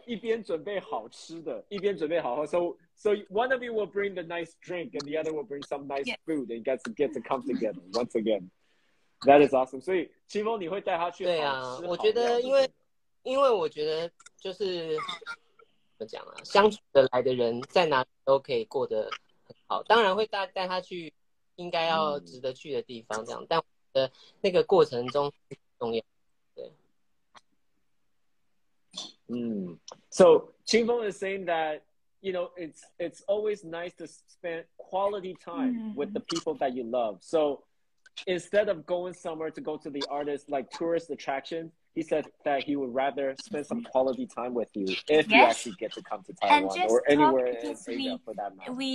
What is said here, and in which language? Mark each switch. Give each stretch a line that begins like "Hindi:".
Chinese: 一边准备好吃的一边准备好喝。
English: So one of you will bring the nice drink and the other will bring some nice food and you guys get to come together once again. That is awesome.
Chinese: 所以Qingfeng你会带他去好吃好料。对啊，我觉得因为我觉得就是怎么讲啊，相处的来的人在哪里都可以过得很好，当然会带他去应该要值得去的地方这样，但我觉得那个过程中很重要。对，
English: 嗯 ，So Qingfeng is saying that you know it's always nice to spend quality time with the people that you love. So instead of going somewhere to go to the artist like tourist attraction. He said that he would rather spend some quality time with you if you actually get to come to Taiwan or anywhere in Asia for that matter.